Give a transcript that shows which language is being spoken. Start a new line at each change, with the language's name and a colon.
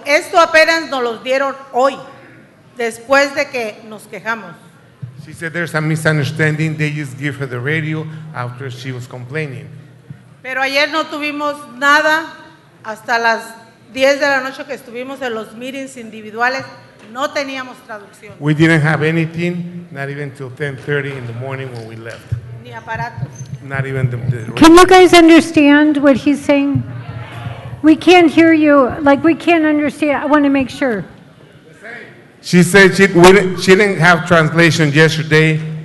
Spanish: Esto apenas nos los dieron hoy, después de que nos quejamos.
English: She said there's a misunderstanding. They just give her the radio after she was complaining.
Spanish: Pero ayer no tuvimos nada hasta las 10 de la noche que estuvimos en los meetings individuales. No teníamos traducción.
English: We didn't have anything, not even till 10:30 in the morning when we left.
Spanish: Ni aparatos.
English: Not even the Can you guys understand what he's saying? We can't hear you. Like, we can't understand. I want to make sure. She said she didn't have translation yesterday.